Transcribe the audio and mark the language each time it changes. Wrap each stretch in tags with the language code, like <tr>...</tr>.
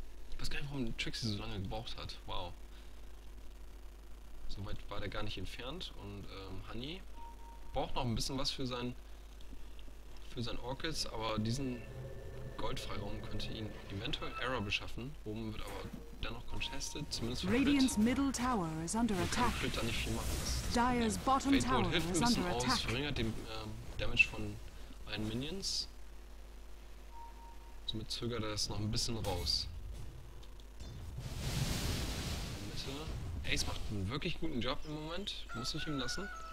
<de>Ich weiß gar nicht, warum Trixie so lange gebraucht hat. Wow. Soweit war der gar nicht entfernt. Und Honey braucht noch ein bisschen was für sein Orchids, aber diesen Goldfreiraum könnte ihn eventuell Error beschaffen. Oben wird aber dennoch contested, zumindest von</de> <en>Radiant's Middle Tower is under attack.</en> <de>Ich könnte da nicht viel machen.</de> <en>Dire's Bottom Tower is under attack.</en> <de>Aus, verringert den Damage von allen Minions. Somit zögert er das noch ein bisschen raus. Ace macht einen wirklich guten Job im Moment, muss ich ihm lassen.</de>